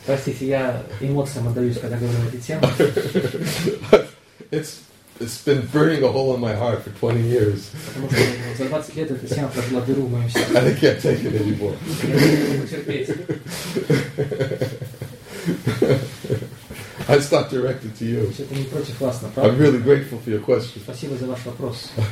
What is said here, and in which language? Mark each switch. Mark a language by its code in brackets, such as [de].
[ru] Простите, я эмоциям отдаюсь, когда говорю на эти темы. [en] It's been burning a hole in my heart for 20 years. [ru] За 20 лет эта тема прожгла дыру в моем сердце. [en] And I can't take it anymore. [ru] Я не могу терпеть. [en] I stopped directed to you. [ru] Это не против вас, на правду. [en] I'm really grateful for your question. [ru] Спасибо за ваш вопрос.